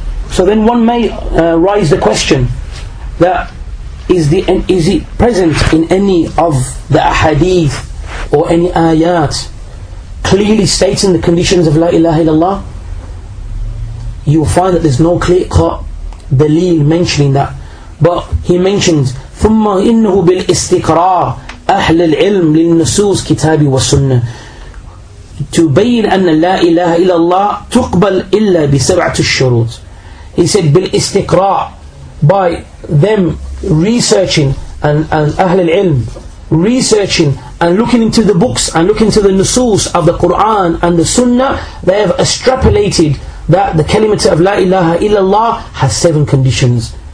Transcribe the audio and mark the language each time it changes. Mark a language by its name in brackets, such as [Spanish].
[English] So then one may raise the question that is it present in any of the ahadith or any ayat clearly stating the conditions of La ilaha illallah, you will find that there's no clear cut dalil mentioning that. [Arabic] But he mentions, ثُمَّ إِنَّهُ بِالْإِسْتِقْرَارِ أَهْلِ الْعِلْمِ لِلنُّسُوسِ كِتَابِ وَالسُنَّةِ تُبَيِّنْ أَنَّ لَا إِلَهَ إِلَّا اللَّهِ تُقْبَلْ إِلَّا بِسَبْعَةُ الشُّرُوطِ. [English] He said, بِالْإِسْتِقْرَارِ, by them researching and أَهْلِ الْعِلْمِ researching and looking into the books and looking into the nusus of the Quran and the Sunnah, they have extrapolated that the kalimat of La ilaha illallah has seven conditions.